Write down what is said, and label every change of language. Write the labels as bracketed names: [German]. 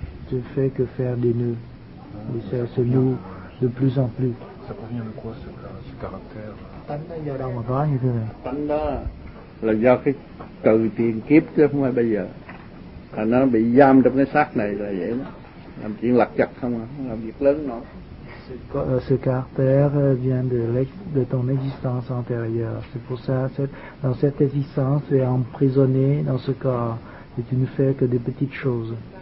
[French] Tu fais que faire des nœuds. Et ça se noue de plus en plus. Ça provient de quoi ce caractère? [Vietnamese] Tánh đó do đâu mà có như thế này? Tánh đó là do cái từ tiền kiếp chứ không phải bây giờ. Là nó bị giam trong cái xác này là vậy đó. Làm chuyện lặt vặt không à, làm việc lớn nó. [French] Ce caractère vient de ton existence antérieure. C'est pour ça que dans cette existence, tu es emprisonné dans ce corps. Et tu ne fais que des petites choses.